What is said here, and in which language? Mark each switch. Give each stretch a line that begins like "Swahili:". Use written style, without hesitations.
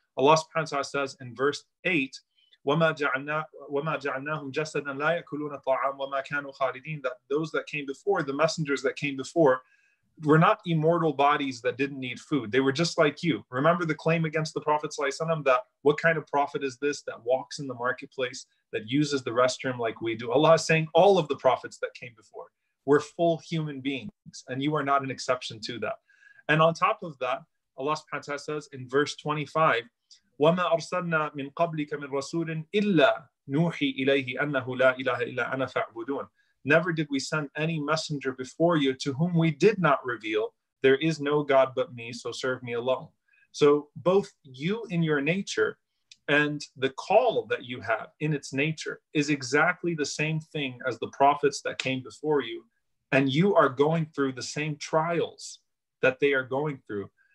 English: Allah subhanahu wa ta'ala says in verse 8,
Arabic: وَمَا جَعَلْنَاهُمْ جَسَدًا لَا يَأْكُلُونَ الطَّعَامُ وَمَا كَانُوا خَالِدِينَ,
English: that those that came before, the messengers that came before, were not immortal bodies that didn't need food. They were just like you. Remember the claim against the Prophet ﷺ that what kind of prophet is this that walks in the marketplace, that uses the restroom like we do? Allah is saying all of the prophets that came before were full human beings, and you are not an exception to that. And on top of that, Allah subhanahu wa ta'ala says in verse 25,
Arabic: وَمَا أَرْسَلْنَا مِنْ قَبْلِكَ مِنْ رَسُولٍ إِلَّا نُوحِي إِلَيْهِ أَنَّهُ لَا إِلَهَ إِلَّا أَنَا فَاعْبُدُونَ.
English: Never did we send any messenger before you to whom we did not reveal, there is no God but me, so serve me alone. So both you in your nature and the call that you have in its nature is exactly the same thing as the prophets that came before you. And you are going through the same trials that they are going through.